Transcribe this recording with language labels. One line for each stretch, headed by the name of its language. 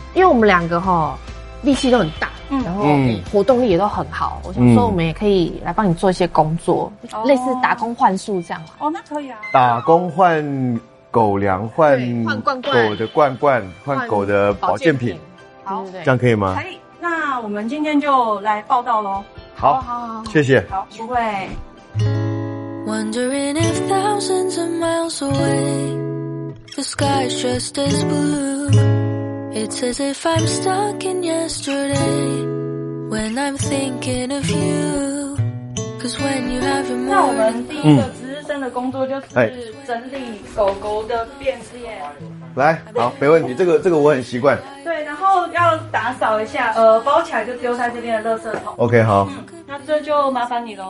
Chinese: 因为我们两个齁力气都很大，然后活动力也都很好，我想说我们也可以来帮你做一些工作，类似打工换宿这样。哦，那可以啊，打工换狗粮，换狗的罐罐，换狗的保健品。好，这样可以吗？可以，那我们今天就来报道咯。好，谢谢。好，不会。
English: Wondering if thousands of miles away, the sky's just as blue. It's as if I'm stuck in yesterday, when I'm thinking of you. Cause when you have your morning.
Chinese: 那我们第一个值日生的工作就是整理狗狗的便便。来，好，没问题，这个我很习惯。对，然后要打扫一下，包起来就丢在这边的垃圾桶。 OK, 好。那这就麻烦你咯。